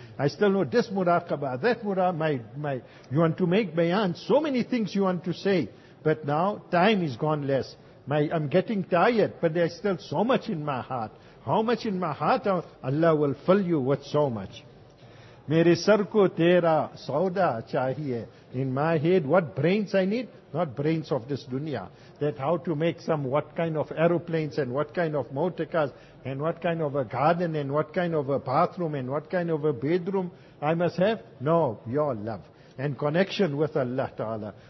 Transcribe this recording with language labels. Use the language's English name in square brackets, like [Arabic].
[English] I still know this muraqabah, that muraqabah, my, you want to make bayan, so many things you want to say, but now time is gone less. I'm getting tired, but there's still so much in my heart. How much in my heart? Allah will fill you with so much. [Urdu] میرے سر کو تیرا سودا چاہیے. [English] In my head, what brains I need? Not brains of this dunya. That how to make some, what kind of aeroplanes and what kind of motor cars and what kind of a garden and what kind of a bathroom and what kind of a bedroom I must have? No, your love and connection with Allah Ta'ala.